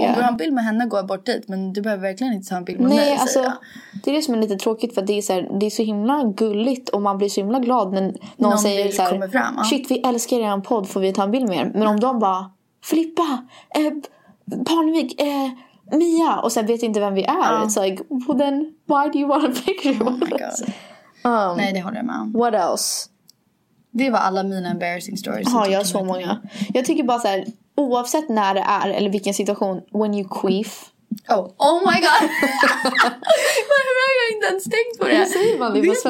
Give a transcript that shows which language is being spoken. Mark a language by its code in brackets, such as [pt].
[sv] om du vill ha en bild med henne går jag bort dit. Men du behöver verkligen inte ha en bild med mig. Alltså, det är det som är lite tråkigt, för det är så här, det är så himla gulligt. Och man blir så himla glad när någon säger så här, fram, shit vi älskar er podd, får vi ta en bild med er? Men om de bara, flippa, Parnevik, Mia, och sen vet inte vem vi är. [en] It's like, well then, why do you want a picture? Oh my god. [sv] Nej, det håller jag med om. [en] What else? [sv] Det var alla mina embarrassing stories. Ja, jag har så många. Jag tycker bara så här, oavsett när det är eller vilken situation, [en] when you queef. Oh my god. [sv] Varför har jag inte ens tänkt på det? Hur säger man det på svenska?